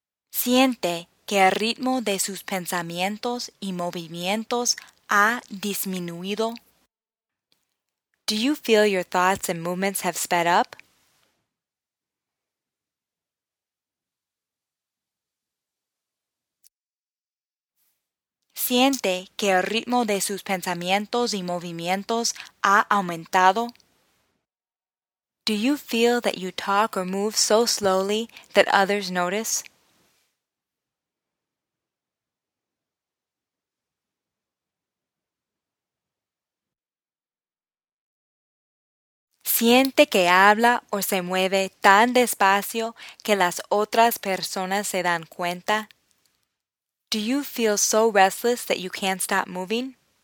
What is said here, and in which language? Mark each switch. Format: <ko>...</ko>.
<es>¿Siente que el ritmo de sus pensamientos y movimientos ha disminuido?</es> <en>Do you feel your thoughts and movements have sped up?</en> <es>¿Siente que el ritmo de sus pensamientos y movimientos ha aumentado?</es> <en>Do you feel that you talk or move so slowly that others notice?</en> <es>¿Siente que habla o se mueve tan despacio que las otras personas se dan cuenta?</es> <en>Do you feel so restless that you can't stop moving?</en>